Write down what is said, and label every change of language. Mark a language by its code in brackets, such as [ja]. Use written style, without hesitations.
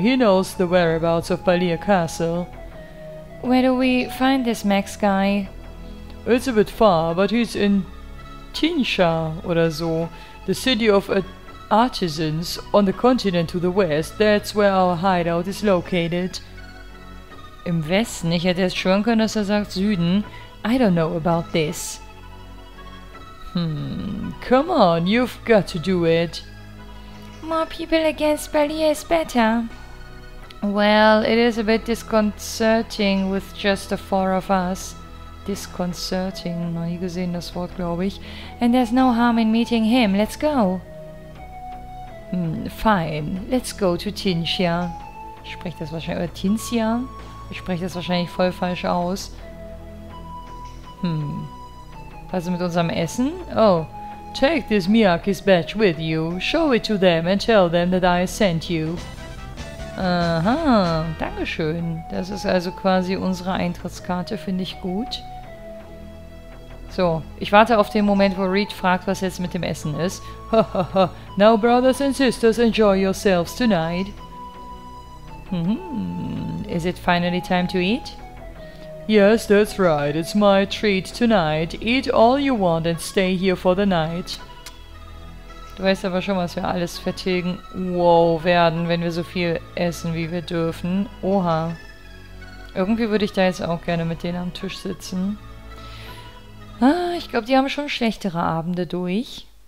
[en] He knows the whereabouts of Balia Castle. Where do we find this Max guy? It's a bit far, but he's in Tinsha [de] oder so, [en] the city of artisans on the continent to the west. That's where our hideout is located. [de] Im Westen? Ich hätte jetzt schwören können, dass er sagt Süden. [en] I don't know about this. Come on, you've got to do it. More people against Balia is better. Well, it is a bit disconcerting with just the four of us. [de] Disconcerting, noch nie gesehen das Wort, glaube ich. [en] And there's no harm in meeting him, let's go. Fine, let's go to Tinsha. [de] Ich spreche das wahrscheinlich voll falsch aus. Also mit unserem Essen? Oh. [en] Take this Miyakis badge with you. Show it to them and tell them that I sent you. [de] Aha, dankeschön. Das ist also quasi unsere Eintrittskarte, finde ich gut. So, ich warte auf den Moment, wo Reed fragt, was jetzt mit dem Essen ist. [en] Ha ha ha. Now, brothers and sisters, enjoy yourselves tonight. Is it finally time to eat? Yes, that's right. It's my treat tonight. Eat all you want and stay here for the night. [de] Du weißt aber schon, was wir alles vertilgen. Wow, werden, wenn wir so viel essen, wie wir dürfen. Oha. Irgendwie würde ich da jetzt auch gerne mit denen am Tisch sitzen. Ah, ich glaube, die haben schon schlechtere Abende durch.